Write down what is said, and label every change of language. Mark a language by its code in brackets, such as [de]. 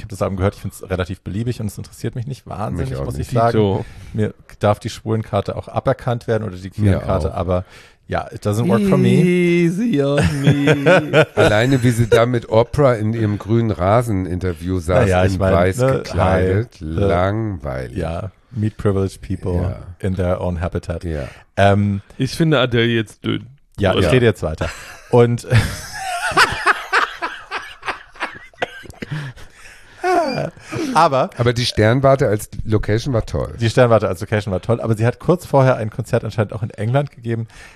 [de] Ich habe das Album gehört, ich finde es relativ beliebig und es interessiert mich nicht wahnsinnig, mich muss nicht. Ich sagen. Mir darf die Schwulenkarte auch aberkannt werden oder die Queerenkarte, aber ja, [en] it doesn't work for me. Easy on me. [de] Alleine, wie sie da mit Oprah in ihrem grünen Rasen-Interview saß, ja, in weiß gekleidet, langweilig. [en] Ja, meet privileged people in their own habitat. [de] Ja. Ich finde Adele jetzt dünn. Ja, ich rede jetzt weiter. Und aber die Sternwarte als Location war toll. Die Sternwarte als Location war toll, aber sie hat kurz vorher ein Konzert anscheinend auch in England gegeben.